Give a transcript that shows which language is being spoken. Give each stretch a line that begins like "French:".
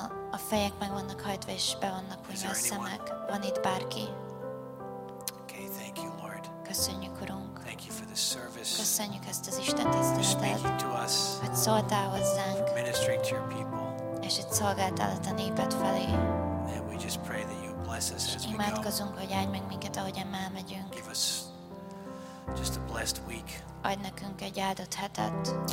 Hungarian: A fejek meg vannak hajtva, és be vannak húzva a szemek. Van itt bárki?
English: Okay, thank you, Lord.
Hungarian: Köszönjük, Urunk.
English: Thank you for this service.
Hungarian: Köszönjük ezt az Isten tiszteletet, hogy szóltál hozzánk,
English: ministering to your people.
Hungarian: És itt szolgáltál a néped felé.
English: And we just pray that you bless us as we go.
Hungarian: Imádkozunk, hogy áldj meg minket, ahogyan elmegyünk.
English: Give us just a blessed week.
Hungarian: Adj nekünk egy áldott hetet.